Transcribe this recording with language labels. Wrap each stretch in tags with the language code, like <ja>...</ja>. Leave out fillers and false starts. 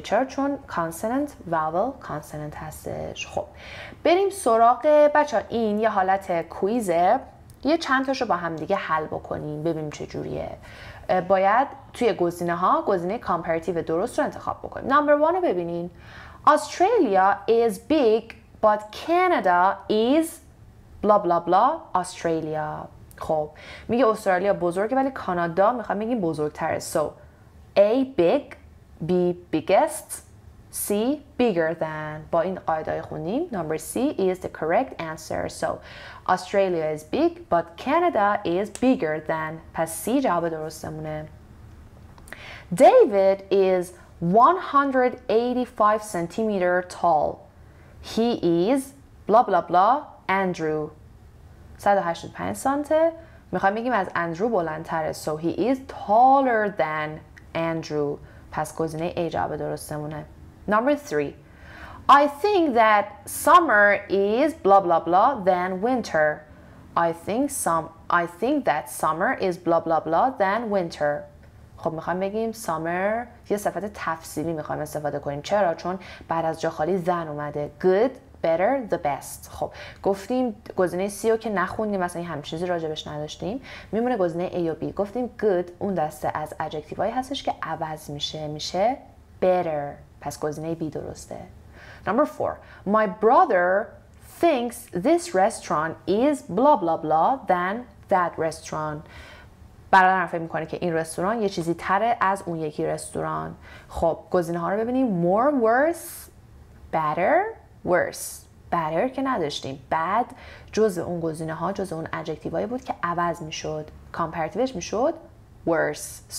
<fa>چرا؟ چون consonant vowel consonant هستش. خب بریم سراغ بچه ها. این یه حالت کویزه، یه چند تاشو با هم دیگه حل بکنیم ببینیم چجوریه. باید توی گزینه ها گزینه کامپریتیو درست رو انتخاب بکنیم. نمبر 1 رو ببینین.</fa> <en>Australia is big but Canada is blah blah blah Australia.</en> <fa>خب میگه استرالیا بزرگه ولی کانادا میخوام بگیم بزرگتره.</fa> <en>So A big B biggest C bigger than.</en> <fa>با این قاعده خونیم.</fa> <en>Number C is the correct answer. So Australia is big but Canada is bigger than.</en> <fa>پس C جواب درستمونه.</fa> <en>David is 185 centimeter tall. He is blah blah blah Andrew. 185 سانته.</en> <fa>میخوایم بگیم از اندرو بلندتره.</fa> <en>So he is taller than Andrew.</en> <fa>پس گزینه A جواب درستمونه.</fa> <en>Number 3. I think that summer is blah blah blah than winter. I think that summer is blah blah blah than winter.</en> <fa>خب میخوایم بگیم summer، یه صفت تفصیلی میخوایم استفاده کنیم. چرا؟ چون بعد از جا خالی than اومده.</fa> <en>Good، better، the best.</en> <fa>خب گفتیم گزینه C رو که نخوندیم، مثلا همین چیزی راجبش نداشتیم، میمونه گزینه A و B. گفتیم good اون دسته از adjective هایی هستش که عوض میشه، میشه better. پس گزینه B درسته.</fa> <en>Number 4. My brother thinks this restaurant is blah blah blah than that restaurant.</en> <fa>برادرم فکر میکنه که این رستوران یه چیزی تره از اون یکی رستوران. خب گزینه ها رو ببینیم.</fa> <en>More، worse، better، worse.</en> <fa>better که نداشتیم. Bad جز اون گزینه ها، جز اون adjective هایی بود که عوض میشد. Comparativeش میشد worse.</fa>